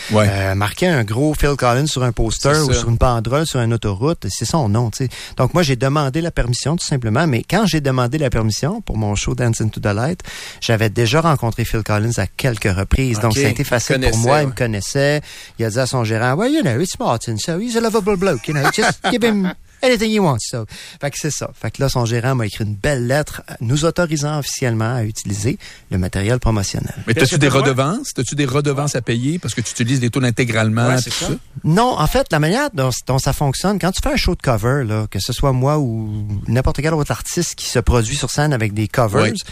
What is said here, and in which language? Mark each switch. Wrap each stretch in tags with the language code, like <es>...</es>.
<fr>ouais. Marquer un gros Phil Collins sur un poster ou sur une banderole sur une autoroute, c'est son nom. Tu sais, donc moi j'ai demandé la permission tout simplement. Mais quand j'ai demandé la permission pour mon show Dance into the Light, j'avais déjà rencontré Phil Collins à quelques reprises. Okay. Donc ça a été facile pour moi. Ouais. Il me connaissait. Il a dit à son gérant,</fr> <en>well, you know, it's Martin, so he's a lovable bloke, you know, just give him anything you want, so.</en> <fr>Fait que c'est ça. Fait que là, son gérant m'a écrit une belle lettre nous autorisant officiellement à utiliser le matériel promotionnel. Mais t'as-tu des redevances? T'as-tu des redevances à payer parce que tu utilises des tours intégralement? Ouais, c'est ça. Non, en fait, la manière dont ça fonctionne, quand tu fais un show de cover, là, que ce soit moi ou n'importe quel autre artiste qui se produit sur scène avec des covers, ouais.</fr>